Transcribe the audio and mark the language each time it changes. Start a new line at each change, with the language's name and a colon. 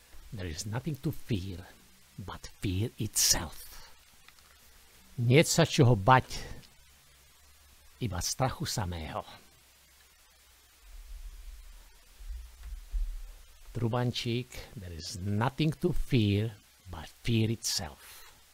English: There is nothing to fear, but fear itself.
Slovak: Nie sa čoho bať, iba strachu samého.
English: Trubančík, there is nothing to fear but fear itself.